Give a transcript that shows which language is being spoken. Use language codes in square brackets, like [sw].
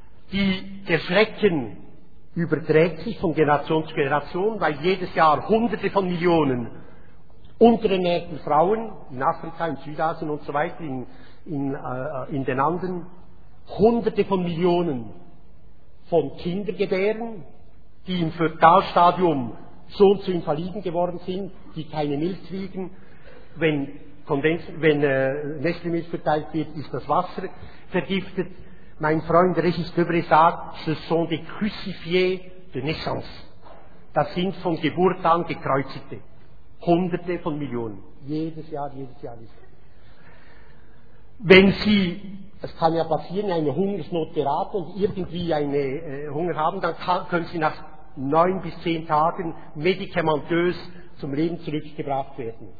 [de] Der Schrecken überträgt sich von Generation zu Generation, weil jedes Jahr Hunderte von Millionen unterernährten Frauen in Afrika, in Südasien und so weiter, in den Anden, Hunderte von Millionen von Kindern gebären, die im Fötalstadium so und so invaliden geworden sind, die keine Milch kriegen. Wenn Nestlé-Milch verteilt wird, ist das Wasser vergiftet. Mein Freund Regis Debré sagt, [fr] ce sont des crucifiés de naissance. [de] Das sind von Geburt an Gekreuzigte. Hunderte von Millionen. Jedes Jahr. Wenn Sie, es kann ja passieren, eine Hungersnot geraten und irgendwie eine Hunger haben, dann können Sie nach 9 bis 10 Tagen medikamentös zum Leben zurückgebracht werden.